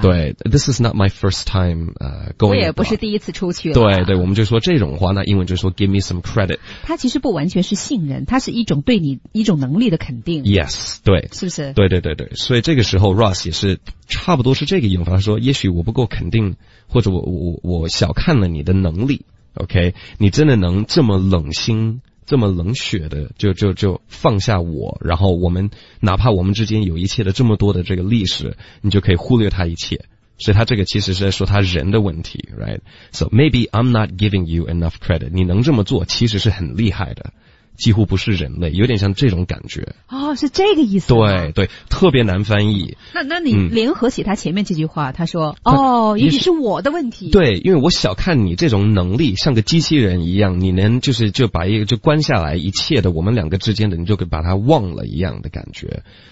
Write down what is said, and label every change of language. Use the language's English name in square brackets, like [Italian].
[English] 对 ,this is not my first time, going. [Chinese] 我也不是第一次出去了。对对，我们就说这种话，那英文就说 [English] give me some credit. [Chinese] 它其实不完全是信任，它是一种对你一种能力的肯定。 Yes, 对。是不是？对对对对。所以这个时候 Ross 也是差不多是这个用法，他说也许我不够肯定，或者我小看了你的能力 ,OK? 你真的能这么冷心，这么冷血的就放下我，然后我们哪怕我们之间有一切的这么多的这个历史，你就可以忽略他一切。所以他这个其实是在说他人的问题 ,right? [English] So maybe I'm not giving you enough credit. [Chinese] 你能这么做其实是很厉害的。几乎不是人类，有点像这种感觉。哦，是这个意思。对对，特别难翻译。那你联合起他前面这句话，他说哦，也许是我的问题。对，因为我小看你这种能力，像个机器人一样，你能就把一个就关下来一切的我们两个之间的，你就给把它忘了一样的感觉。